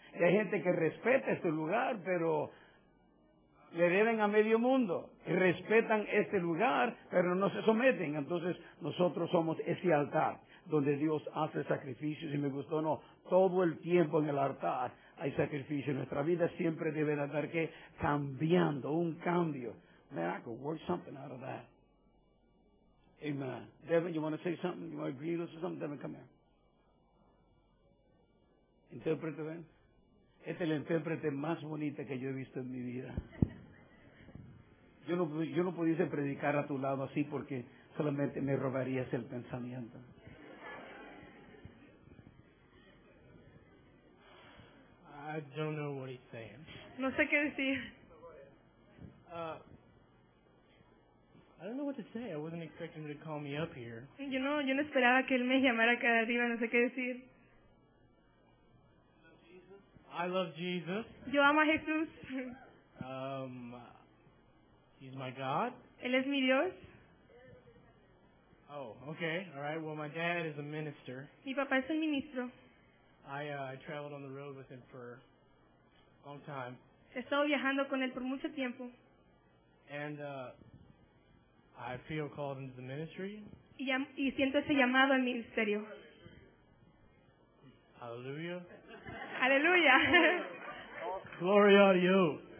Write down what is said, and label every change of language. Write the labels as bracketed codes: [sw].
[es] Y hay gente que respeta este lugar, pero le deben a medio mundo, y respetan este lugar, pero no se someten. Entonces, nosotros somos ese altar donde Dios hace sacrificios. Y me gustó, no, todo el tiempo en el altar hay sacrificio. Nuestra vida siempre debe estar que cambiando, un cambio. [en] Man, I could work something out of that. Amen. Devin, you want to say something? You want to agree with us or something? Devin, come here. [es] Intérprete, ven. Este es el intérprete más bonito que yo he visto en mi vida. Yo no pudiese predicar a tu lado así porque solamente me robarías el pensamiento. [en] I don't know what he's saying. [es] No sé qué decir. [en] I don't know what to say. I wasn't expecting him to call me up here. [es] Yo no esperaba que él me llamara acá arriba. No sé qué decir. [en] I love Jesus. [es] Yo amo a Jesús. [en] He's my God. [es] Él es mi Dios. [en] Oh, okay. All right. Well, my dad is a minister. [es] Mi papá es un ministro. [en] I traveled on the road with him for a long time. [es] He estado viajando con él por mucho tiempo. [en] And I feel called into the ministry. [es] Y siento ese llamado al ministerio. [en] Hallelujah. Hallelujah. Glory out of you.